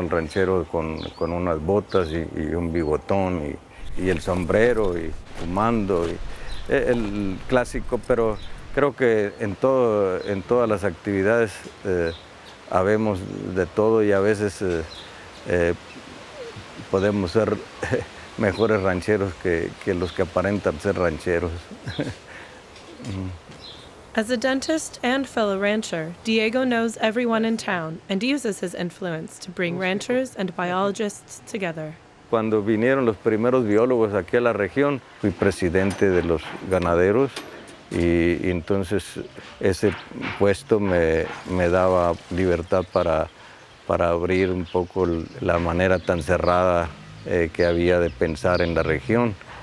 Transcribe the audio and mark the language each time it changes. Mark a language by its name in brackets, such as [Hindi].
[Spanish] El ranchero con unas botas y un bigotón y el sombrero y fumando y el clásico, pero creo que en todas las actividades habemos de todo y a veces podemos ser mejores rancheros que los que aparentan ser rancheros. [English] As a dentist and fellow rancher, Diego knows everyone in town and uses his influence to bring ranchers and biologists together. [Spanish] Cuando vinieron los primeros biólogos aquí a la región, fui presidente de los ganaderos y entonces ese puesto me daba libertad para abrir un poco la manera tan cerrada que había de pensar en la región.